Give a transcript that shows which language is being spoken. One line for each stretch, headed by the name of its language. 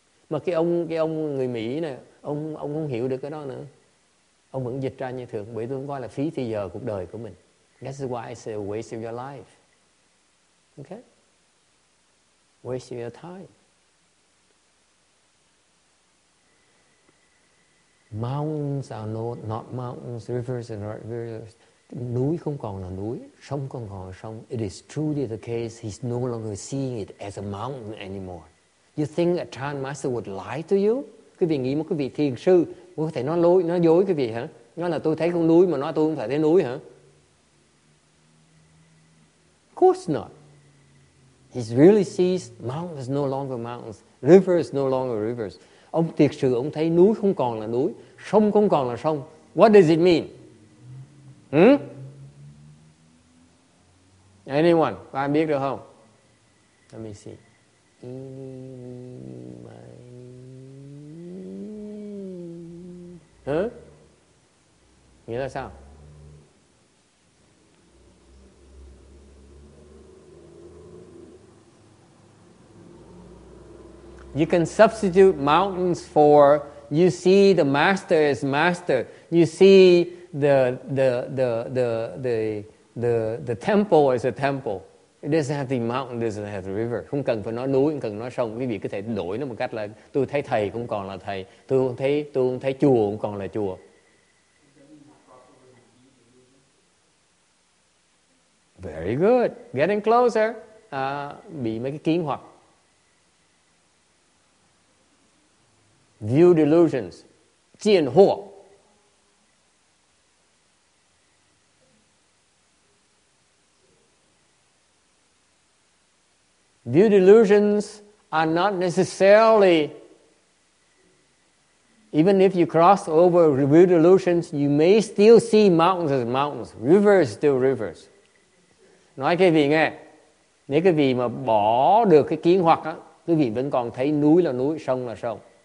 Vietnamese: Mà cái ông người Mỹ này, ông không hiểu được cái đó nữa. Ông vẫn dịch ra như thường, bởi tôi coi là phí thì giờ cuộc đời của mình.
English: That's why I say waste of your life. Okay? Waste of your time. Mountains are not mountains, rivers are not rivers.
Vietnamese: núi không còn là núi, sông không còn là sông.
English: It is truly the case, he's no longer seeing it as a mountain anymore. You think a Chan master would lie to you?
Vietnamese: Quý vị nghĩ một cái vị thiền sư có thể nói dối quý vị hả? Nói là tôi thấy con núi mà nói tôi không phải thấy núi hả?
English: Of course not. He really sees mountains no longer mountains, rivers no longer rivers.
Vietnamese: Ông thiệt sự ông thấy núi không còn là núi, sông không còn là sông.
English: What does it mean? Anyone?
Vietnamese: Có ai biết được không?
English: Let me see.
Vietnamese: Nghĩa là sao?
English: You can substitute mountains for you see the master as master. You see the temple as a temple. It doesn't have the mountain, it doesn't have the river.
Vietnamese: Không cần phải nói núi, không cần nói sông. Quý vị có thể đổi nó một cách là tôi thấy thầy cũng còn là thầy. Tôi không thấy chùa cũng còn là chùa.
English: Very good. Getting closer.
Vietnamese: Bị mấy cái kiến hoặc.
English: View delusions, jian huo. View delusions are not necessarily, even if you cross over view delusions, you may still see mountains as mountains, rivers still rivers.
Vietnamese: Nói cái vị nghe, nếu cái vị mà bỏ được cái kiến hoặc á, cái vị vẫn còn thấy núi là núi, sông là sông.